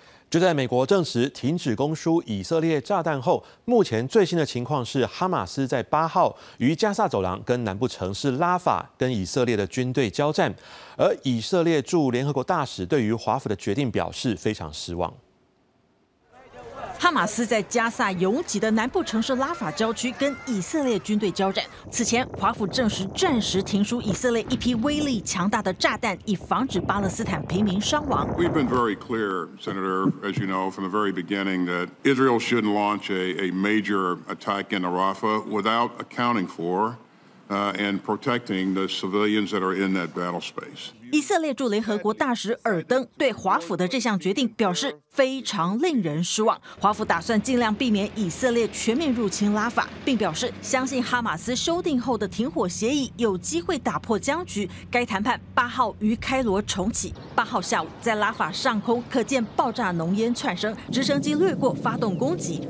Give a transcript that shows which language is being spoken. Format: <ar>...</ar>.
<zh>就在美国证实停止供输以色列炸弹后，目前最新的情况是，哈马斯在8号于加萨走廊跟南部城市拉法跟以色列的军队交战，而以色列驻联合国大使对于华府的决定表示非常失望。哈马斯在加萨拥挤的南部城市拉法郊区跟以色列军队交战。此前，华府证实暂时停输以色列一批威力强大的炸弹，以防止巴勒斯坦平民伤亡。</zh> <en>We've been very clear, Senator, as you know, from the very beginning, that Israel shouldn't launch a major attack in Rafah without accounting for and protecting the civilians that are in that battle space.</en> <zh>以色列驻联合国大使尔登对华府的这项决定表示非常令人失望。华府打算尽量避免以色列全面入侵拉法，并表示相信哈马斯修订后的停火协议有机会打破僵局。该谈判8号于开罗重启。8号下午，在拉法上空可见爆炸浓烟窜升，直升机掠过发动攻击。</zh>